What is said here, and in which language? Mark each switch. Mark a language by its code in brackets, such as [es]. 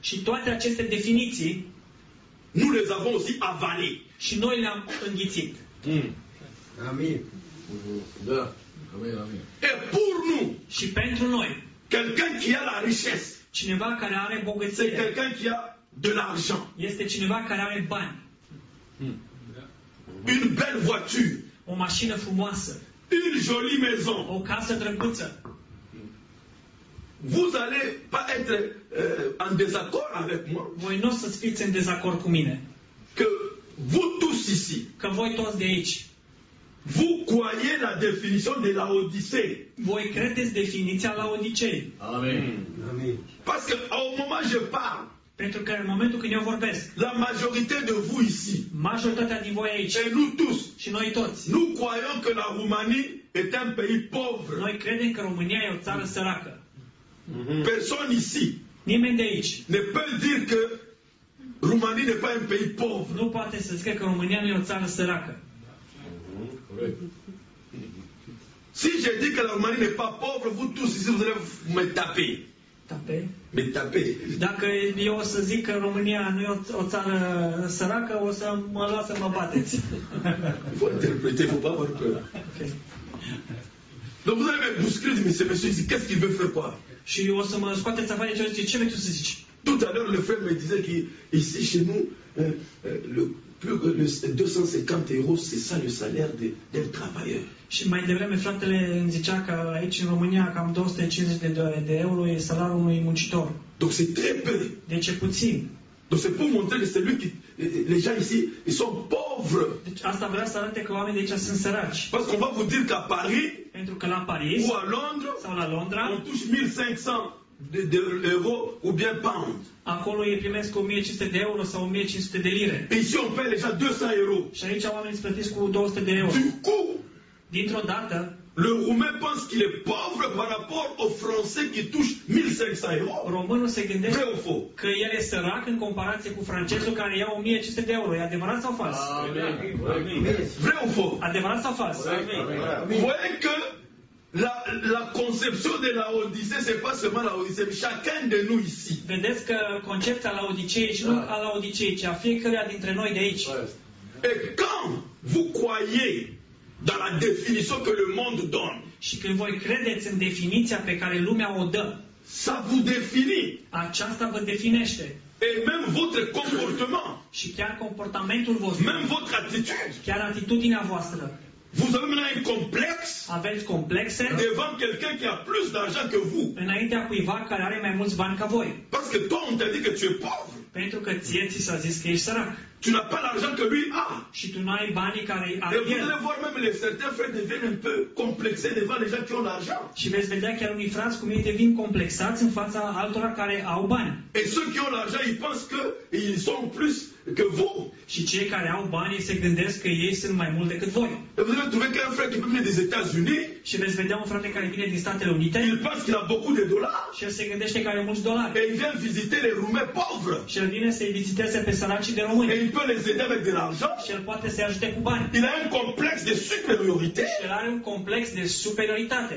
[ro] Și toate aceste definiții. [fr] Nous les avons aussi avalés. [ro] Și noi le-am înghițit. Amin. Da. Amin. [fr] Et pour nous. [ro] Și pentru noi. [fr] Quelqu'un qui a la richesse. [ro] Cineva care are bogăție. [fr] C'est quelqu'un qui a de l'argent. [ro] Este cineva care are bani. [fr] Une belle voiture. [ro] O mașină frumoasă. [fr] Une jolie maison. [ro] O casă drăguță. [fr] Vous allez pas être en désaccord avec moi. [ro] Voi nu o să fiți în dezacord cu mine. [fr] Que vous tous ici. [ro] Că voi toți de aici. [fr] Vous croyez la définition de la Odyssée. [ro] Voi credeți definiția la Odisee. Amen. Amen. [fr] Parce que au moment je parle. [ro] Pentru că în momentul când eu vorbesc. [fr] La majorité de vous ici. [ro] Majoritatea din voi aici. [fr] Et nous tous. [ro] Și noi toți. [fr] Nous croyons que la Roumanie est un pays pauvre. [ro] Noi credem că România e o țară săracă. [fr] Personne ici. [ro] Nimeni de aici. [fr] Ne peut dire que Roumanie n'est pas un pays pauvre. [ro] Nu poate să zică că România nu e o țară săracă. [fr] Si je dis que la Roumanie n'est pas pauvre, vous tous ici vous allez me taper. Taper. [ro] Dacă eu o să zic că România nu e o țară săracă, o să mă las să mă bateți. [fr] Vous interprétez vos paroles. Okay. Donc vous allez me bousculer, monsieur, qu'est-ce qu'il veut faire quoi? [ro] Și o să mă scoateți afară și o să zice, ce vrei tu să zici? [fr] Tout à l'heure, le frère me disait qu'ici, chez nous, le 250 euros, c'est ça le salaire d'un travailleur. [ro] Și mai devreme fratele îmi zicea că aici în România cam 250 de euro e salariul unui muncitor. [fr] Donc c'est très peu. [ro] Deci e puțin. [fr] Donc c'est pour montrer que celui qui les gens ici, ils sont pauvres. [ro] Deci asta vrea să arate că oamenii de aici sunt săraci. [fr] Parce qu'on va vous dire qu'à Paris, [ro] pentru că la Paris, [fr] ou à Londres, [ro] sau la Londra, [fr] on touche 1500 de euro ou bien pound. [ro] Acolo ei primesc 1500 de euro sau 1500 de lire. [fr] Ici on paye déjà 200 euros. [ro] Și aici oamenii se plătesc cu 200 de euro. [fr] Du coup, [ro] dintr-o dată, [fr] le roumain pense qu'il est pauvre par rapport au français qui touche 1500 euros. [ro] Românul se gândește că el e sărac în comparație cu francezul care ia 1500 de euro. E adevărat sau fals? Vreau fo. Adevărat sau fals? [fr] Voyez que la conception de la Odyssée, c'est pas seulement la Odyssée, chacun de nous ici. [ro] Vedeți că concepția la Odisee și nu a la Odisee, ci a fiecăruia dintre noi de aici. [fr] Et quand vous croyez dans la définition que le monde donne. [ro] Și când voi credeți în definiția pe care lumea o dă. [fr] Ça vous définit. [ro] Aceasta vă definește. [fr] Et même votre comportement. [ro] Și chiar comportamentul vostru. [fr] Même votre attitude. [ro] Chiar atitudinea voastră. [fr] Vous avez maintenant un complexe. [ro] Aveți complexe. [fr] Devant quelqu'un qui a plus d'argent que vous. [ro] Înaintea cuiva care are mai mulți bani ca voi. [fr] Parce que toi on t'a dit que tu es pauvre. [ro] Pentru că ție ți s-a zis că ești sărac. [fr] Tu n'as pas l'argent que lui a. [ro] Și tu n-ai banii care are el. [fr] Et vous allez voir même les certains frères deviennent un peu complexés devant les gens qui ont l'argent. [ro] Și veți vedea chiar unii frați cum ei devin complexați în fața altora care au bani. [fr] Et ceux qui ont l'argent, ils pensent que ils sont plus que vous. [ro] Și cei care au bani se gândesc că ei sunt mai mult decât voi. [fr] Et vous allez trouver qu'un frère qui vient des États-Unis. [ro] Și veți vedea un frate care vine din Statele Unite. [fr] Il pense qu'il a beaucoup de dollars. [ro] Și el se gândește că are mulți dolari. [fr] Et il vient visiter les Roumains pauvres. [ro] Și el vine să-i viziteze pe săracii de români. [fr] Il peut les aider avec de l'argent. [ro] Și el poate să-i ajute cu bani. [fr] Il a un complexe de supériorité. [ro] Și el are un complex de superioritate.